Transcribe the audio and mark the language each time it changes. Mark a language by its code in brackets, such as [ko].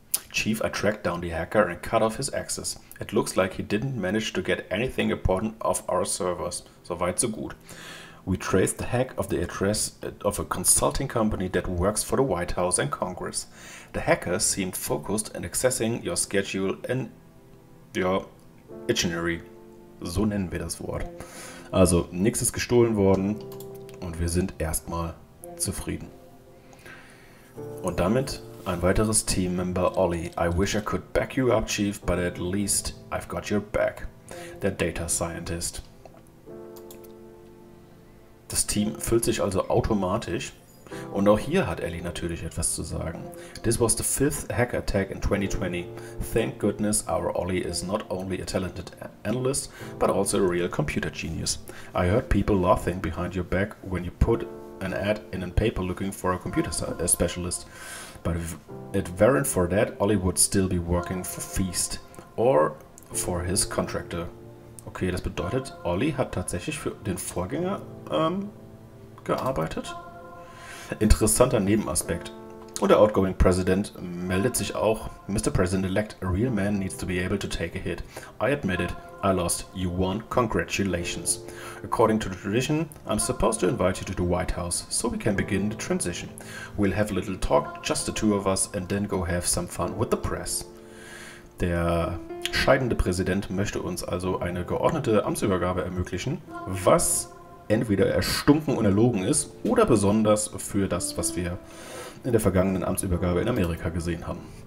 [en] Chief, I tracked down the hacker and cut off his access. It looks like he didn't manage to get anything important off our servers. [de] So weit, so gut. [en] We traced the hack of the address of a consulting company that works for the White House and Congress. The hacker seemed focused on accessing your schedule and your itinerary. [de] So nennen wir das Wort. Also, nichts ist gestohlen worden und wir sind erstmal zufrieden. Und damit ein weiteres Team-Member, Ollie. [en] I wish I could back you up, Chief, but at least I've got your back. [de] Der Data Scientist. Das Team füllt sich also automatisch. Und auch hier hat Ellie natürlich etwas zu sagen. [en] This was the fifth hacker attack in 2020. Thank goodness our Ollie is not only a talented analyst, but also a real computer genius. I heard people laughing behind your back when you put an ad in a paper looking for a computer specialist. But if it weren't for that, Ollie would still be working for Feast or for his contractor. [de] Okay, das bedeutet, Ollie hat tatsächlich für den Vorgänger gearbeitet. Interessanter Nebenaspekt. Und der outgoing President meldet sich auch. [en] Mr. President-elect, a real man needs to be able to take a hit. I admit it, I lost. You won. Congratulations. According to the tradition, I'm supposed to invite you to the White House, so we can begin the transition. We'll have a little talk, just the two of us, and then go have some fun with the press. [de] Der scheidende Präsident möchte uns also eine geordnete Amtsübergabe ermöglichen, was entweder erstunken und erlogen ist oder besonders für das, was wir in der vergangenen Amtsübergabe in Amerika gesehen haben.